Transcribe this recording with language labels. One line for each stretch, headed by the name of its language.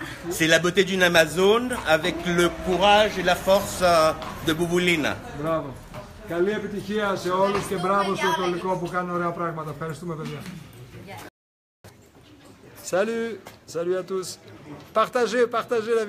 French: C'est la beauté d'une Amazone avec le courage et la force de Bouboulina. Bravo.
Greek: Καλή επιτυχία σε όλους και μπράβο στο Ετωλικό που κάνουν ωραία πράγματα. Ευχαριστούμε, παιδιά.
French: Salut, salut à tous. Partagez, partagez la vidéo.